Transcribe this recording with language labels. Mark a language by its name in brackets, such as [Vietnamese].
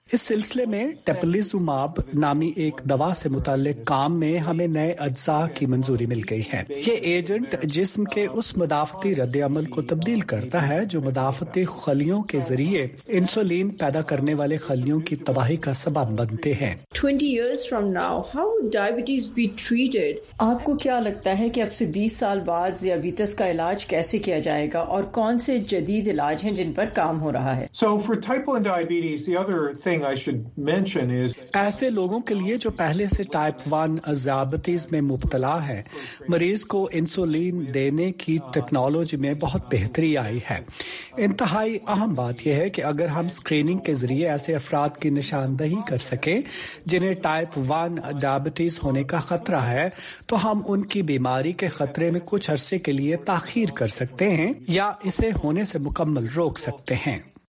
[Urdu] اس سلسلے میں ٹیپلیزوماب نامی ایک دوا سے متعلق کام میں ہمیں نئے اجزاء کی منظوری مل گئی ہے. یہ ایجنٹ جسم کے اس مدافعتی رد عمل کو تبدیل کرتا ہے جو مدافعتی خلیوں کے ذریعے انسولین پیدا کرنے والے خلیوں کی تباہی کا سبب بنتے ہیں. [English] 20 years from now, how would diabetes be treated? [Urdu] آپ کو کیا لگتا ہے کہ اب سے 20 سال بعد ذیابیطس کا علاج کیسے کیا جائے گا, اور کون سے جدید علاج ہیں جن پر کام ہو رہا ہے؟ [English] So for type 1 diabetes, the other thing I should mention is, [Urdu] ایسے لوگوں کے لیے جو پہلے سے ٹائپ 1 ذیابیطس میں مبتلا ہے, مریض کو انسولین دینے کی ٹیکنالوجی میں بہت بہتری آئی ہے. انتہائی اہم بات یہ ہے کہ اگر ہم اسکریننگ کے ذریعے ایسے افراد کی نشاندہی کر سکیں جنہیں ٹائپ 1 ڈائبٹیز ہونے کا خطرہ ہے, تو ہم ان کی بیماری کے خطرے میں کچھ عرصے کے لیے تاخیر کر سکتے ہیں یا اسے ہونے سے مکمل روک سکتے ہیں.